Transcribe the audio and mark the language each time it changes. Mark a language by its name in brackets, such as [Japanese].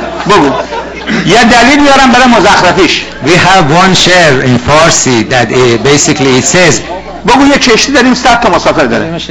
[Persian] بگو یا دلیل میارم برای مزخرفیش. [English] We have one share in Farsi that basically it says. [Persian] بگو یه کشتی داریم 100 تا مسافر داره.